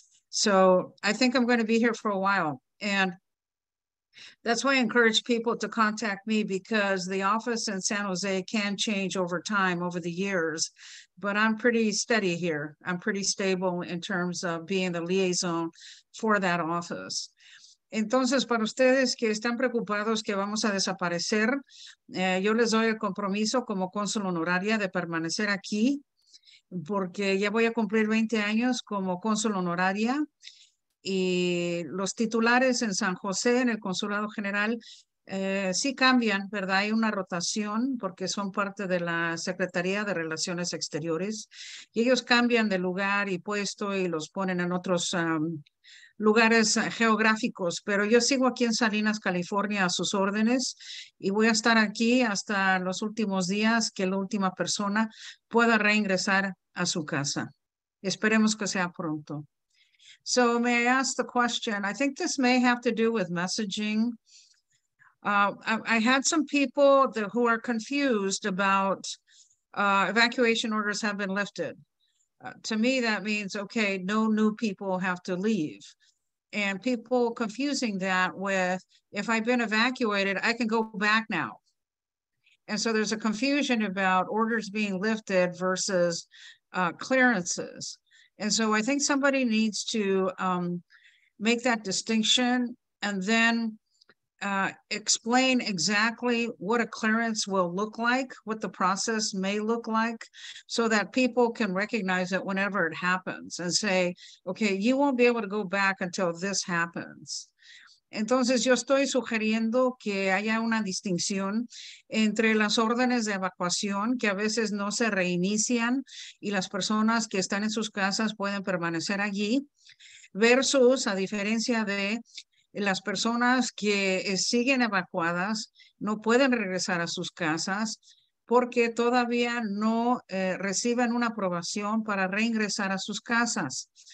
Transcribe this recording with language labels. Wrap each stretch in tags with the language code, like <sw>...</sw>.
<en>So I think I'm going to be here for a while. And that's why I encourage people to contact me, because the office in San Jose can change over time, over the years. But I'm pretty steady here. I'm pretty stable in terms of being the liaison for that office.</en> <es>Entonces, para ustedes que están preocupados que vamos a desaparecer, yo les doy el compromiso como cónsul honoraria de permanecer aquí, porque ya voy a cumplir 20 años como cónsul honoraria. Y los titulares en San José, en el consulado general, sí cambian, ¿verdad? Hay una rotación porque son parte de la Secretaría de Relaciones Exteriores. Y ellos cambian de lugar y puesto y los ponen en otros lugares geográficos, pero yo sigo aquí en Salinas, California, a sus órdenes, y voy a estar aquí hasta los últimos días que la última persona pueda reingresar a su casa. Esperemos que sea pronto.</es> <en>So may I ask the question? I think this may have to do with messaging. I had some people who are confused about evacuation orders have been lifted. To me, that means, okay, no new people have to leave. And people confusing that with, if I've been evacuated, I can go back now. And so there's a confusion about orders being lifted versus clearances. And so I think somebody needs to make that distinction and then explain exactly what a clearance will look like, what the process may look like, so that people can recognize it whenever it happens and say, okay, you won't be able to go back until this happens.</en> <es>Entonces, yo estoy sugiriendo que haya una distinción entre las órdenes de evacuación, que a veces no se reinician y las personas que están en sus casas pueden permanecer allí, versus, a diferencia de las personas que siguen evacuadas, no pueden regresar a sus casas porque todavía no reciben una aprobación para reingresar a sus casas.</es>